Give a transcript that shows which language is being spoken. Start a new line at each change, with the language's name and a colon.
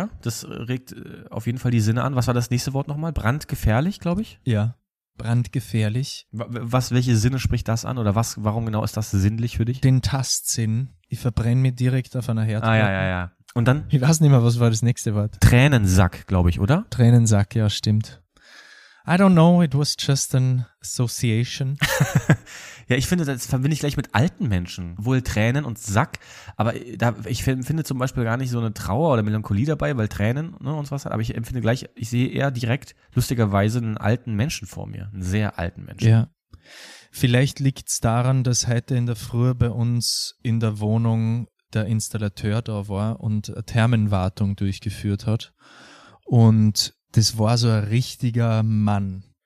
German: Das regt auf jeden Fall die Sinne an. Was war das nächste Wort nochmal? Brandgefährlich, glaube ich? Ja, brandgefährlich. Welche Sinne spricht das an oder was? Warum genau ist das sinnlich für dich? Den Tastsinn. Ich verbrenne mich direkt auf einer Herdplatte. Ah, ja. Und dann? Ich weiß nicht mehr, was war das nächste Wort? Tränensack, glaube ich, oder? Tränensack, ja, stimmt.
English: I don't know, it was just an association.
German: Ja, ich finde, das verbinde ich gleich mit alten Menschen. Wohl Tränen und Sack, aber da ich finde zum Beispiel gar nicht so eine Trauer oder Melancholie dabei, weil Tränen, ne, und sowas hat, aber ich empfinde gleich, ich sehe eher direkt, lustigerweise, einen alten Menschen vor mir, einen sehr alten Menschen. Ja, vielleicht liegt es daran, dass heute in der Früh bei uns in der Wohnung der Installateur da war und eine Thermenwartung durchgeführt hat und das war so ein richtiger Mann.